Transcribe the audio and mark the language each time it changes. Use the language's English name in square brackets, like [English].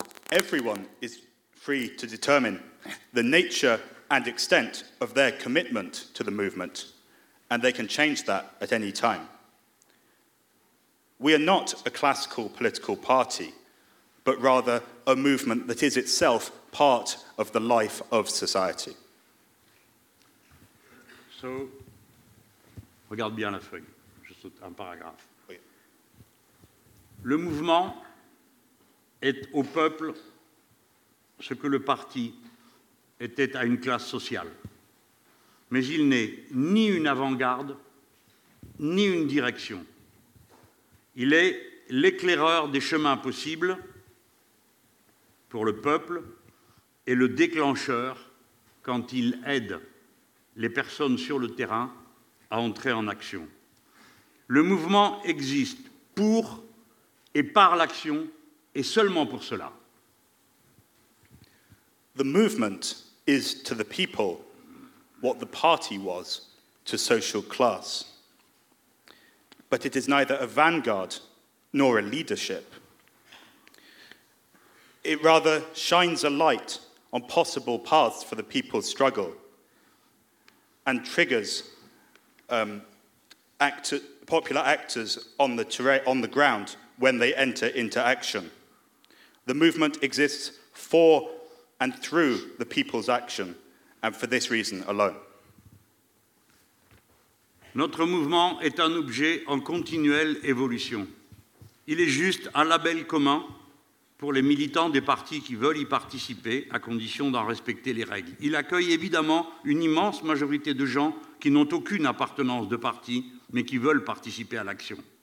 [English] Everyone is free to determine the nature and extent of their commitment to the movement, and they can change that at any time. We are not a classical political party, but rather a movement that is itself part of the life of society. [French] So, regarde bien la feuille, je saute un paragraphe. Oui. Le mouvement est au peuple ce que le parti était à une classe sociale. Mais il n'est ni une avant-garde, ni une direction. Il est l'éclaireur des chemins possibles pour le peuple et le déclencheur quand il aide les personnes sur le terrain à entrer en action. Le mouvement existe pour et par l'action et seulement pour cela. [English] The movement is to the people what the party was to social class. But it is neither a vanguard nor a leadership. It rather shines a light on possible paths for the people's struggle and triggers popular actors on the ground when they enter into action. The movement exists for and through the people's action, and for this reason alone. [French] Notre mouvement est un objet en continuelle évolution. Il est juste un label commun pour les militants des partis qui veulent y participer, à condition d'en respecter les règles. Il accueille évidemment une immense majorité de gens qui n'ont aucune appartenance de parti, mais qui veulent participer à l'action.